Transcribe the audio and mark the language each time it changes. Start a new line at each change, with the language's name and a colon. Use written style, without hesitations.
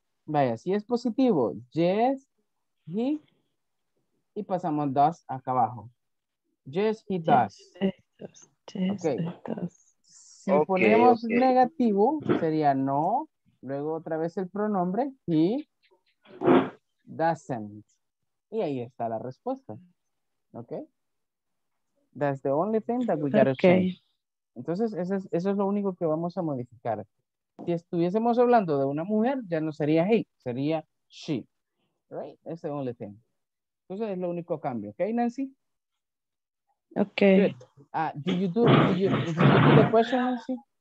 Spanish: Vaya, si es positivo, yes, he, y pasamos does acá abajo.
English: Yes, he does. Yes, okay. Does.
Spanish: Si okay, ponemos okay. Negativo, sería no, luego otra vez el pronombre, he, doesn't. Y ahí está la respuesta. Ok.
English: That's the only thing that we gotta okay. Change.
Spanish: Entonces, eso es lo único que vamos a modificar. Si estuviésemos hablando de una mujer, ya no sería he, sería she.
English: Right? That's the only thing.
Spanish: Entonces, es lo único cambio.
English: Ok, Nancy? Ok. Did you do the question, Nancy?